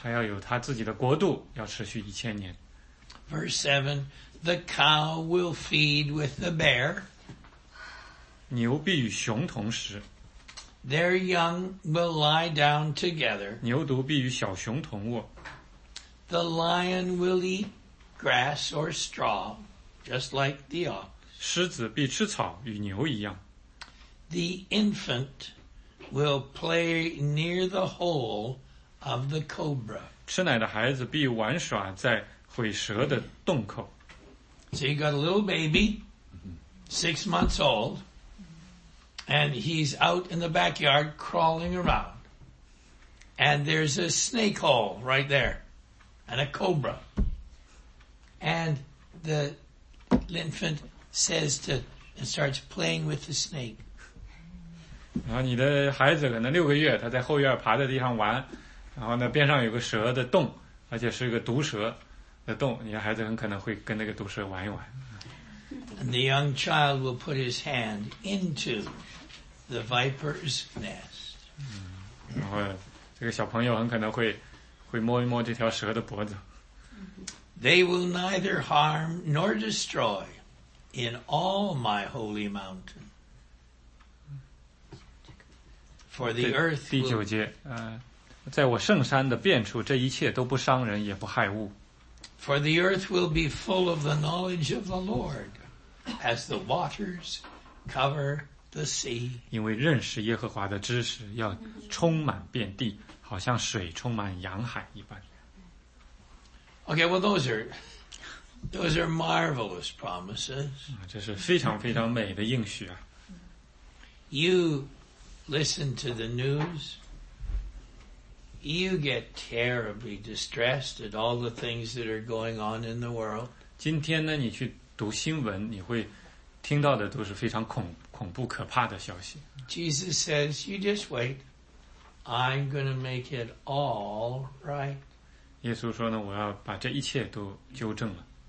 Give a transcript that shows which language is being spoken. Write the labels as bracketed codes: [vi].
[zh] 他要有他自己的国度要持续一千年。 [en] Verse 7, the cow will feed with the bear. [zh] 牛必与熊同食。 [en] Their young will lie down together. [zh] 牛犊必与小熊同卧。 [en] The lion will eat grass or straw, just like the ox. [zh] 狮子必吃草与牛一样。 [en] The infant will play near the hole of the cobra. [zh] 吃奶的孩子必玩耍在毁蛇的洞口。 [en] So you got a little baby, 6 months old, and he's out in the backyard crawling around. And there's a snake hole right there. And a cobra. And the infant says to, and starts playing with the snake. [zh] 然后你的孩子可能六个月，他在后院爬在地上玩，然后呢边上有个蛇的洞，而且是个毒蛇的洞，你的孩子很可能会跟那个毒蛇玩一玩。 [en] And the young child will put his hand into the viper's nest. [zh] 然后这个小朋友很可能会会摸一摸这条蛇的脖子。 [en] They will neither harm nor destroy in all my holy mountain. For the earth. [zh] 第九节，在我圣山的遍处，这一切都不伤人，也不害物。 [en] For the earth will be full of the knowledge of the Lord, as the waters cover the sea. [zh] 因为认识耶和华的知识要充满遍地。好像水充满洋海一般。 [en] Okay, well, those are marvelous promises. [zh] 这是非常非常美的应许啊。 [en] You listen to the news. You get terribly distressed at all the things that are going on in the world. [zh] 今天呢，你去读新闻，你会听到的都是非常恐怖可怕的消息。 [en] Jesus says, "You just wait." I'm going to make it all right. [zh] 耶稣说呢，我要把这一切都纠正了。